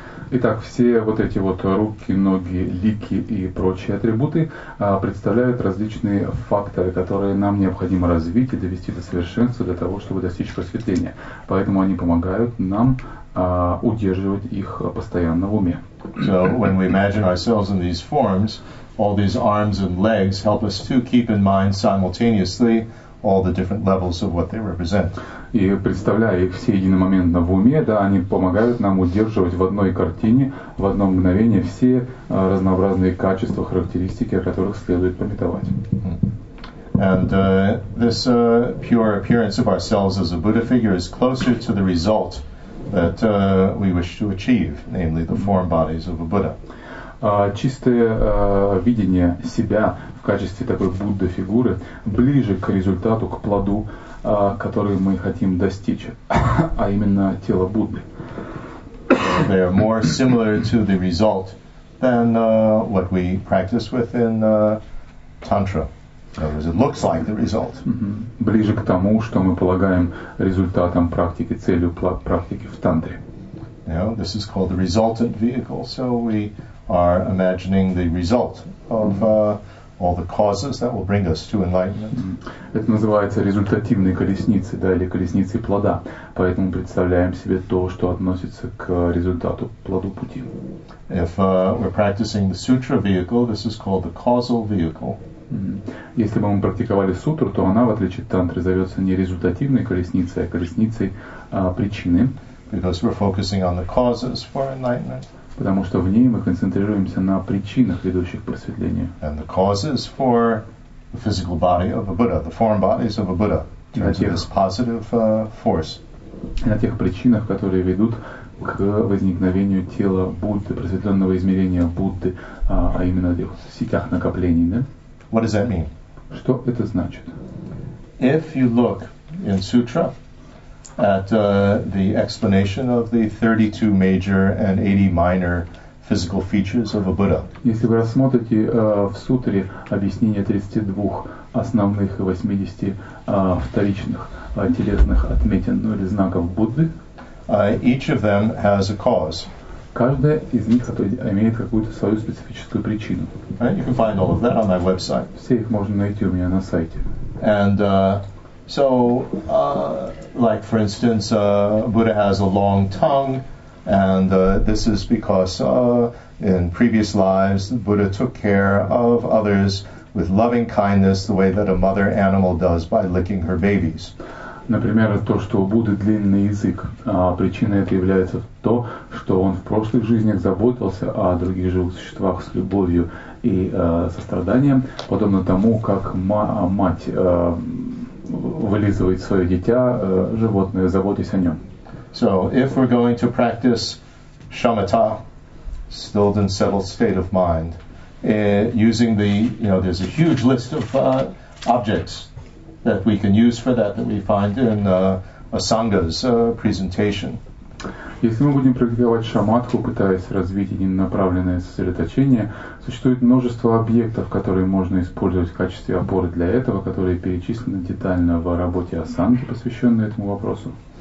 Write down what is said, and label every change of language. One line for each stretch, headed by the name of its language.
Russian: Итак, все вот эти вот руки, ноги, лики и прочие атрибуты представляют различные факторы, которые нам необходимо развить и довести до совершенства для того, чтобы достичь просветления. Поэтому они помогают нам удерживать их постоянно в уме.
English: So, when we imagine ourselves in these forms, all these arms and legs help us to keep in mind simultaneously all the different levels of what they represent.
Russian: И представляя их все единомоментно в уме, да, они помогают нам удерживать в одной картине, в одно мгновение все разнообразные качества, характеристики, о которых следует пометовать.
English: And this pure appearance of ourselves as a Buddha figure is closer to the result that we wish to achieve, namely the form bodies of a Buddha.
Russian: Чистое видение себя в качестве такой Будда-фигуры ближе к результату, к плоду, который мы хотим достичь, а именно тело Будды.
English: They are more similar to the result than what we practice with in Tantra. Because it looks like the result. Mm-hmm.
Russian: Ближе к тому, что мы полагаем результатом практики, целью практики в Тантре.
English: Now, this is called the resultant vehicle. So we are imagining the result of all the causes that will bring us to enlightenment.
Russian: Это называется результативной колесницей, да, или колесницей плода. Поэтому представляем себе то, что относится к результату, плоду пути.
English: If we're practicing the sutra vehicle, this is called the causal vehicle.
Russian: Если бы мы практиковали сутру, то она, в отличие от тантры, зовется не результативной колесницей, а колесницей причины.
English: Because we're focusing on the causes for enlightenment.
Russian: Потому что в ней мы концентрируемся на причинах, ведущих к просветлению.
English: And the causes for the physical body of a Buddha, the form bodies of a Buddha, in terms of this positive force.
Russian: На тех причинах, которые ведут к возникновению тела Будды, просветленного измерения Будды, а именно в сетях накоплений, да?
English: What does that mean?
Russian: Что это значит?
English: If you look in sutra at the explanation of the 32 major and 80 minor physical features of a Buddha.
Russian: Если вы рассмотрите в сутре объяснение 32 основных и 80 вторичных телесных отметин, ну или знаков Будды,
English: each of them has a cause.
Russian: Каждая из них имеет какую-то свою специфическую причину.
English: Right, you can find all of that on my website.
Russian: Все их можно найти у меня на сайте.
English: And so, like for instance, Buddha has a long tongue, and this is because in previous lives the Buddha took care of others with loving kindness, the way that a mother animal does by licking her babies.
Russian: Например, то, что у Будды длинный язык, причиной это является то, что он в прошлых жизнях заботился о других живых существах с любовью и состраданием, подобно тому, как мать вылизывает свое дитя, животное, заботясь о нем.
English: So, if we're going to practice shamatha, stilled and settled state of mind, using the, you know, there's a huge list of objects that we can use for that, that we find in Asanga's presentation.
Russian: Если мы будем практиковать шаматху, пытаясь развить единонаправленное сосредоточение, существует множество объектов, которые можно использовать в качестве опоры для этого, которые перечислены детально в работе Асанги, посвященной этому вопросу.